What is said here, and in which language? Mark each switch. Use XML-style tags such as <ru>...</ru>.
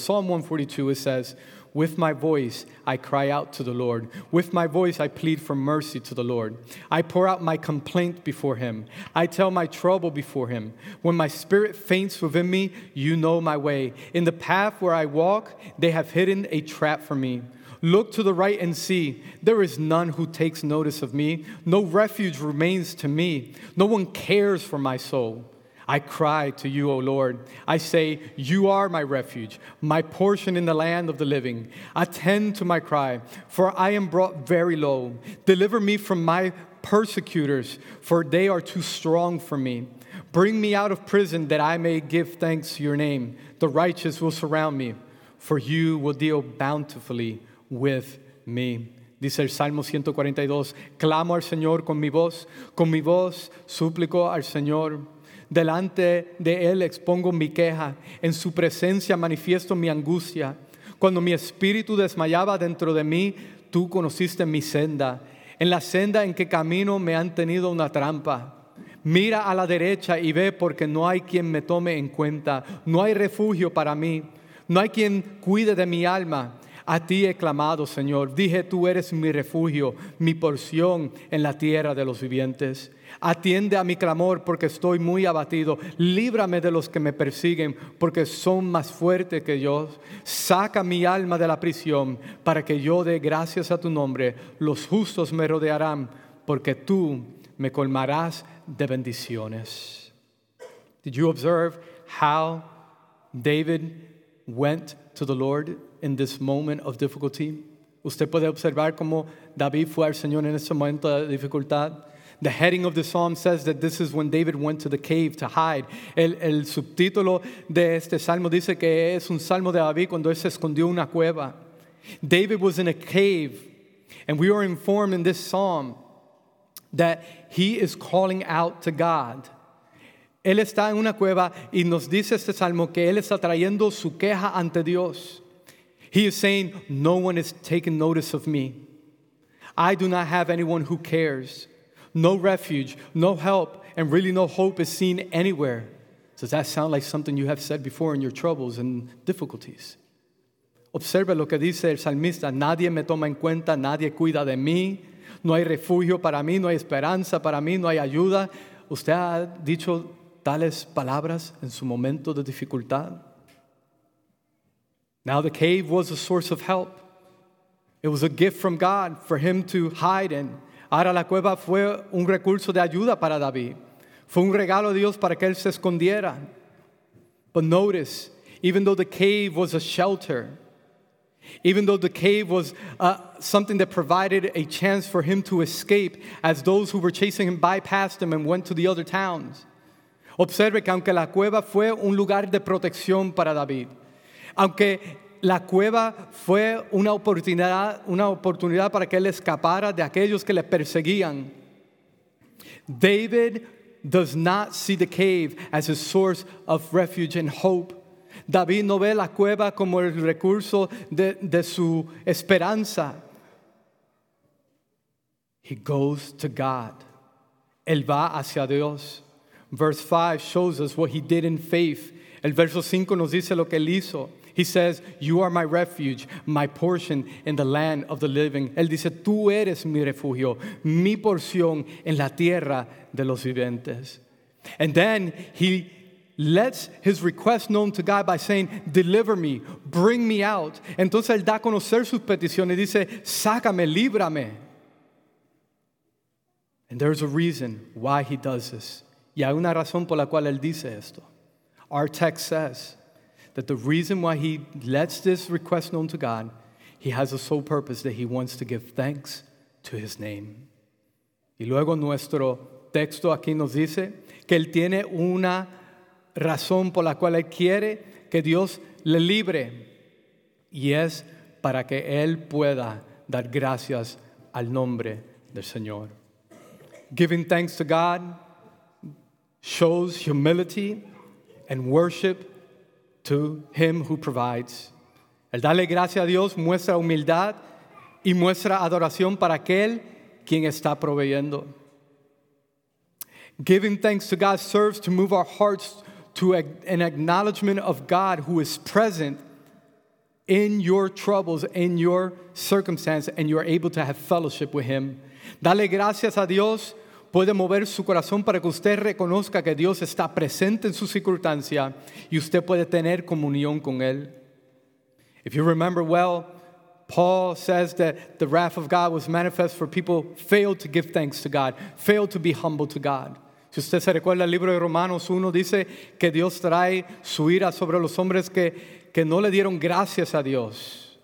<en>Psalm 142, it says, with my voice I cry out to the Lord. With my voice I plead for mercy to the Lord. I pour out my complaint before him. I tell my trouble before him. When my spirit faints within me, you know my way. In the path where I walk, they have hidden a trap for me. Look to the right and see. There is none who takes notice of me. No refuge remains to me. No one cares for my soul. I cry to you, O Lord. I say, you are my refuge, my portion in the land of the living. Attend to my cry, for I am brought very low. Deliver me from my persecutors, for they are too strong for me. Bring me out of prison that I may give thanks to your name. The righteous will surround me, for you will deal bountifully with me.</en> <es>Dice el Salmo 142, clamo al Señor con mi voz suplico al Señor. Delante de él expongo mi queja, en su presencia manifiesto mi angustia. Cuando mi espíritu desmayaba dentro de mí, tú conociste mi senda. En la senda en que camino me han tenido una trampa. Mira a la derecha y ve, porque no hay quien me tome en cuenta. No hay refugio para mí, no hay quien cuide de mi alma. A ti he clamado, Señor. Dije, tú eres mi refugio, mi porción en la tierra de los vivientes. Atiende a mi clamor, porque estoy muy abatido. Líbrame de los que me persiguen, porque son más fuertes que yo. Saca mi alma de la prisión, para que yo dé gracias a tu nombre. Los justos me rodearán, porque tú me colmarás de bendiciones.</es> <en>Did you observe how David went to the Lord in this moment of difficulty?</en> <es>Usted puede observar cómo David fue al Señor en ese momento de dificultad.</es> <en>The heading of the psalm says that this is when David went to the cave to hide.</en> <es>El subtítulo de este salmo dice que es un salmo de David cuando él se escondió en una cueva.</es> <en>David was in a cave, and we are informed in this psalm that he is calling out to God.</en> <es>Él está en una cueva y nos dice este salmo que él está trayendo su queja ante Dios.</es> <en>He is saying, no one is taking notice of me. I do not have anyone who cares. No refuge, no help, and really no hope is seen anywhere. Does that sound like something you have said before in your troubles and difficulties?</en> <es>Observe lo que dice el salmista. Nadie me toma en cuenta, nadie cuida de mí. No hay refugio para mí, no hay esperanza para mí, no hay ayuda. ¿Usted ha dicho tales palabras en su momento de dificultad?</es> <en>Now the cave was a source of help. It was a gift from God for him to hide in.</en> <es>Ahora la cueva fue un recurso de ayuda para David. Fue un regalo de Dios para que él se escondiera.</es> <en>But notice, even though the cave was a shelter, even though the cave was something that provided a chance for him to escape as those who were chasing him bypassed him and went to the other towns.</en> <es>Observe que aunque la cueva fue un lugar de protección para David, aunque la cueva fue una oportunidad para que él escapara de aquellos que le perseguían,</es> <en>David does not see the cave as a source of refuge and hope.</en> <es>David no ve la cueva como el recurso de su esperanza.</es> <en>He goes to God.</en> <es>Él va hacia Dios.</es> <en>Verse 5 shows us what he did in faith.</en> <es>El verso 5 nos dice lo que él hizo.</es> <en>He says, you are my refuge, my portion in the land of the living.</en> <es>Él dice, tú eres mi refugio, mi porción en la tierra de los vivientes.</es> <en>And then he lets his request known to God by saying, deliver me, bring me out.</en> <es>Entonces él da a conocer sus peticiones y dice, sácame, líbrame.</es> <en>And there's a reason why he does this.</en> <es>Y hay una razón por la cual él dice esto.</es> <en>Our text says that the reason why he lets this request known to God, he has a sole purpose that he wants to give thanks to his name.</en> <es>Y luego nuestro texto aquí nos dice que él tiene una razón por la cual él quiere que Dios le libre. Y es para que él pueda dar gracias al nombre del Señor.</es> <en>Giving thanks to God shows humility and worship to him who provides.</en> <es>El darle gracias a Dios muestra humildad y muestra adoración para aquel quien está proveyendo.</es> <en>Giving thanks to God serves to move our hearts to an acknowledgement of God who is present in your troubles, in your circumstance, and you are able to have fellowship with him.</en> <es>Dale gracias a Dios puede mover su corazón para que usted reconozca que Dios está presente en su circunstancia y usted puede tener comunión con él.</es> <en>If you remember well, Paul says that the wrath of God was manifest for people failed to give thanks to God, failed to be humble to God.</en> <es>Si usted se recuerda, el libro de Romanos 1 dice que Dios trae su ira sobre los hombres que no le dieron gracias a Dios,</es>